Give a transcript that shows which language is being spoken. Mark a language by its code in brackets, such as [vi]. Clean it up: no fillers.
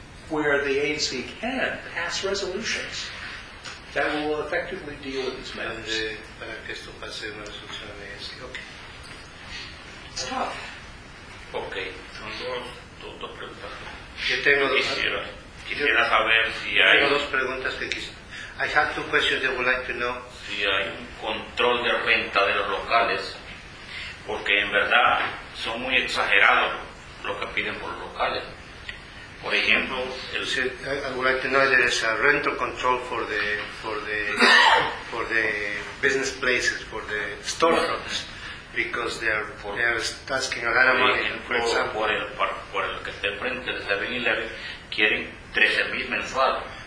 [en] where the ANC can pass resolutions that will effectively deal with these matters. [es] And para que esto pase una resolución de ANC. Okay. [en] It's tough. [es] Okay. Son dos preguntas. Yo tengo dos. Quisiera saber si hay. Tengo dos preguntas que quisiera. [en] I have two questions that I would like to know. [es] Si hay un control de renta de los locales, porque en verdad son muy exagerados lo que piden por los locales. Por ejemplo, el [en] I would like to know if there is a rental control for the business places, for the storefronts, because they are asking a lot of money. For example, [es] por el que esté frente al 7-Eleven quieren 13,000 mensuales.